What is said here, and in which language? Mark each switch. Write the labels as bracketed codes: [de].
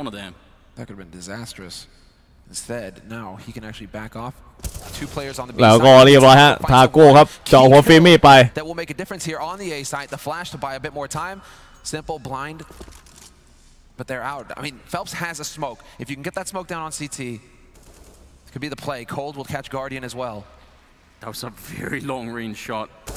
[en] ดInstead, now he can actually back off. Two players on the B side. [th] แล้วก็เรียบร้อยฮะทาโก้ครับเจาะหัวฟีมี่ไป [en] That will make a difference here on the A side. The flash to buy a bit more time. Simple blind. But they're out. I mean, Phelps has a smoke. If you can get that smoke down on CT, it could be the play. Cold will catch Guardian as well. That was a very long range shot.